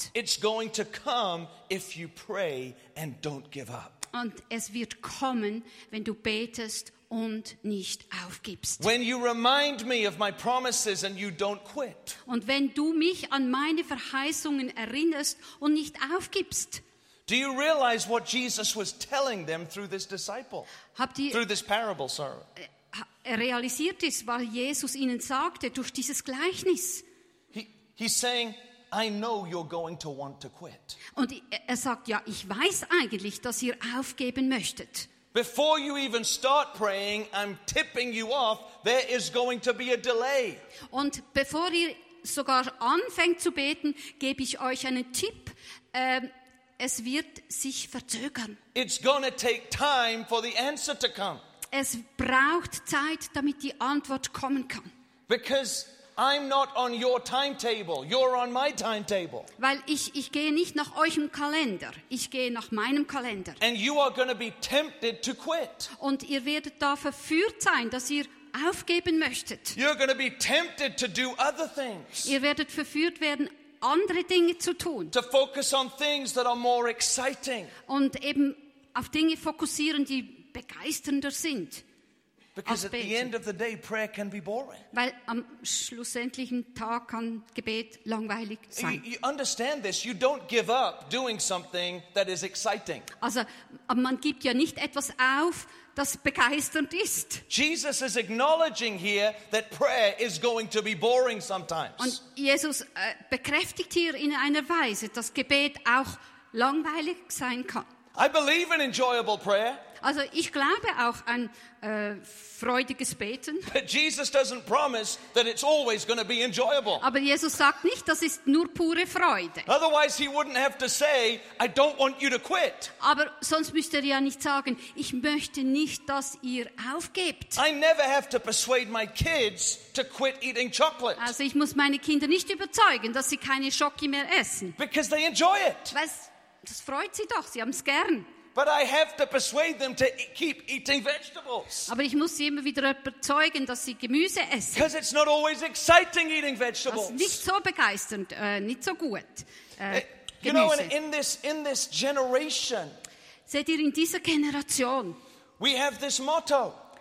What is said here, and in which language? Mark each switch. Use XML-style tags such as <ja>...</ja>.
<en>It's going to come if you pray and don't give up.</en> <de>Und es wird kommen, wenn du betest und nicht aufgibst.</de> <en>When you remind me of my promises and you don't quit.</en> <de>Und wenn du mich an meine Verheißungen erinnerst und nicht aufgibst.</de> <en>Do you realize what Jesus was telling them through this disciple? Through this parable, sorry.</en> <de>Realisiert ist, was Jesus ihnen sagte durch dieses Gleichnis.</de> <en>He's saying, I know you're going to want to quit.</en> <de>Und er sagt, ja, ich weiß eigentlich, dass ihr aufgeben möchtet.</de> <en>Before you even start praying, I'm tipping you off, there is going to be a delay.</en> <de>Und bevor ihr sogar anfängt zu beten, gebe ich euch einen Tipp. Es wird sich verzögern.</de> <en>It's gonna take time for the answer to come.</en> <de>Es braucht Zeit, damit die Antwort kommen kann.</de> <en>Because I'm not on your timetable, you're on my timetable.</en> <de>Weil ich gehe nicht nach eurem Kalender, ich gehe nach meinem Kalender.</de> <en>And you are going to be tempted to quit.</en> <de>Und ihr werdet da verführt sein, dass ihr aufgeben möchtet.</de> <en>You're going to be tempted to do other things.</en> <de>Ihr werdet verführt werden, andere Dinge zu tun.</de> <en>To focus on things that are more exciting.</en> <de>Und eben auf Dinge fokussieren, die begeisternder sind.</de> <en>Because at the end of the day, prayer can be boring.</en> <de>Weil am schlussendlichen Tag kann Gebet langweilig sein.</de> <en>You understand this? You don't give up doing something that is exciting.</en> <de>Also, man gibt ja nicht etwas auf, das begeisternd ist.</de> <en>Jesus is acknowledging here that prayer is going to be boring sometimes.</en> <de>Und Jesus bekräftigt hier in einer Weise, dass Gebet auch langweilig sein kann.</de> <en>I believe in enjoyable prayer.</en> <de>Also ich glaube auch an freudiges Beten.</de> <en>But Jesus doesn't promise that it's always going to be enjoyable.</en> <de>Aber Jesus sagt nicht, das ist nur pure Freude.</de> <en>Otherwise he wouldn't have to say, I don't want you to quit.</en> <de>Aber sonst müsste er ja nicht sagen, ich möchte nicht, dass ihr aufgebt.</de> <en>I never have to persuade my kids to quit eating chocolate.</en> <de>Also ich muss meine Kinder nicht überzeugen, dass sie keine Schoki mehr essen.</de> <en>Because they enjoy it.</en> <de>Weil das freut sie doch, sie haben es gern.</de> <en>But I have to persuade them to keep eating vegetables.</en> <de>Aber ich muss sie immer wieder überzeugen, dass sie Gemüse essen.</de> <en>Because it's not always exciting eating vegetables.</en> <de>Das ist nicht so begeisternd, nicht so gut.</de> <en>You know, in this generation.</en> <de>Seht ihr, in dieser Generation.</de> <en>We have this motto.</en>